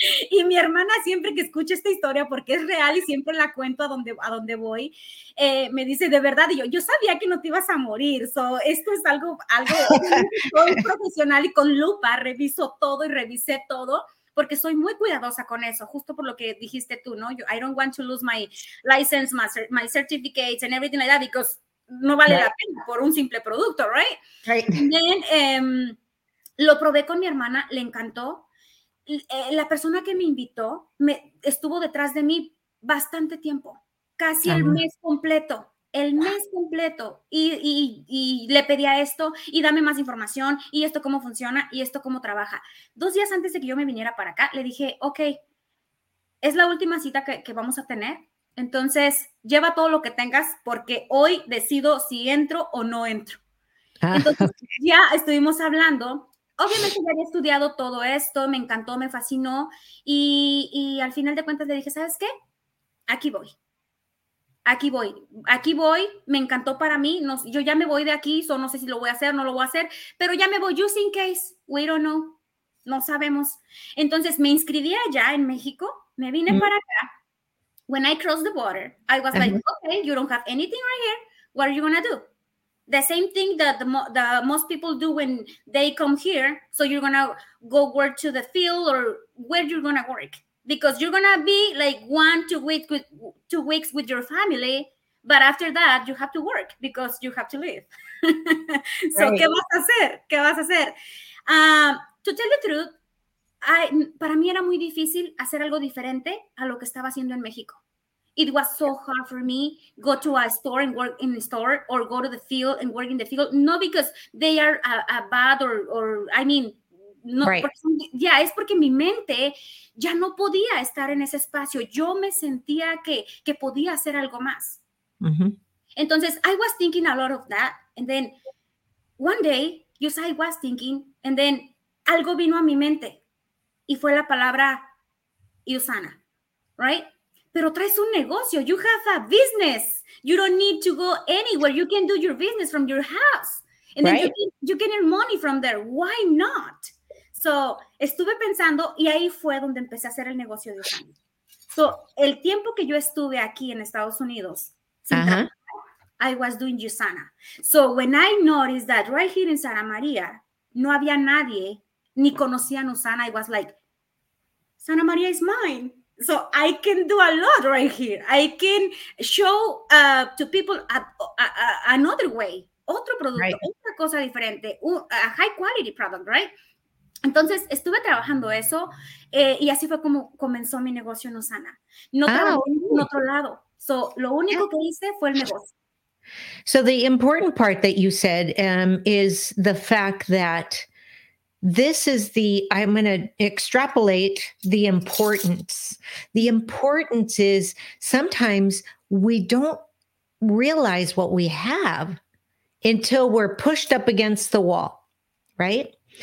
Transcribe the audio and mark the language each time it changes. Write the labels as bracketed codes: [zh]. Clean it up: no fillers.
[es] Y mi hermana siempre que escucha esta historia, porque es real y siempre la cuento a donde voy, me dice, de verdad, y yo sabía que no te ibas a morir. So, esto es algo soy profesional y con lupa reviso todo y revisé todo. Porque soy muy cuidadosa con eso, justo por lo que dijiste tú, ¿no? [en] I don't want to lose my license, my certificates and everything like that, because [es] no vale la pena por un simple producto, [en] right? [es] Then, lo probé con mi hermana, le encantó. La persona que me invitó estuvo detrás de mí bastante tiempo, casi el mes completo. El mes completo y le pedía esto y dame más información y esto cómo funciona y esto cómo trabaja. Dos días antes de que yo me viniera para acá, le dije, ok, es la última cita que vamos a tener. Entonces, lleva todo lo que tengas porque hoy decido si entro o no entro. Entonces, ya estuvimos hablando. Obviamente ya había estudiado todo esto, me encantó, me fascinó. Y al final de cuentas le dije, ¿sabes qué? Aquí voy, me encantó para mí, no, yo ya me voy de aquí, so no sé si lo voy a hacer, no lo voy a hacer, pero ya me voy, [en] just in case, we don't know, [es] no sabemos. Entonces me inscribí allá en México, me vine para acá. [en] When I crossed the border, I was like, okay, you don't have anything right here, what are you gonna do? The same thing that the most people do when they come here, so you're gonna go work to the field or where you're gonna work. Because you're going to be like 1-2 weeks with your family, but after that, you have to work because you have to live. [es] So, right. ¿Qué vas a hacer? [en] To tell the truth, [es] para mí era muy difícil hacer algo diferente a lo que estaba haciendo en México. [en] It was so hard for me go to a store and work in the store or go to the field and work in the field. Not because they are a bad or I mean, no, right. [es] Es porque mi mente ya no podía estar en ese espacio. Yo me sentía que podía hacer algo más. [en] Entonces, I was thinking a lot of that. And then, one day, [es] algo vino a mi mente. Y fue la palabra USANA, right? Pero traes un negocio. [en] You have a business. You don't need to go anywhere. You can do your business from your house. And then you can earn money from there. Why not? [es] So, estuve pensando y ahí fue donde empecé a hacer el negocio de USANA. So, el tiempo que yo estuve aquí en Estados Unidos, [en] I was doing USANA. So, when I noticed that right here in Santa Maria, [es] no había nadie, ni conocían USANA, [en] I was like, Santa Maria is mine. So, I can do a lot right here. I can show to people another way, [es] otro producto, otra cosa diferente, [en] a high quality product, right? [es] Entonces, estuve trabajando eso y así fue como comenzó mi negocio en USANA. No trabajé en otro lado. So, lo único que hice fue el negocio. [en] So, the important part that you said is the fact that this is the, I'm going to extrapolate the importance. The importance is sometimes we don't realize what we have until we're pushed up against the wall, right?